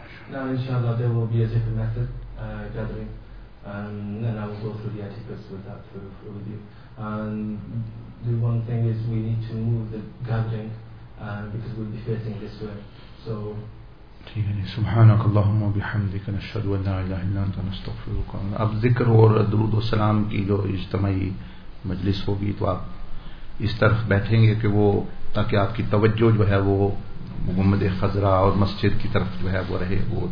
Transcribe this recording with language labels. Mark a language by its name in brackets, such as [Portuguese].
[English] Now inshallah there will be a different method gathering, and I will go through the etiquette with that with you. And the one thing is we need to move the gathering because we'll be facing this way. So [Arabic] سبحانك اللهم وبحمدك نشهد ان لا اله الا انت نستغفرك. [Urdu] اب ذکر اور درود و سلام کی جو اجتماعی مجلس ہوگی تو آپ اس طرف بیٹھیں گے کہ وہ تاکہ آپ کی توجہ جو ہے وہ محمد خضرہ اور مسجد کی طرف جو ہے وہ رہے وہ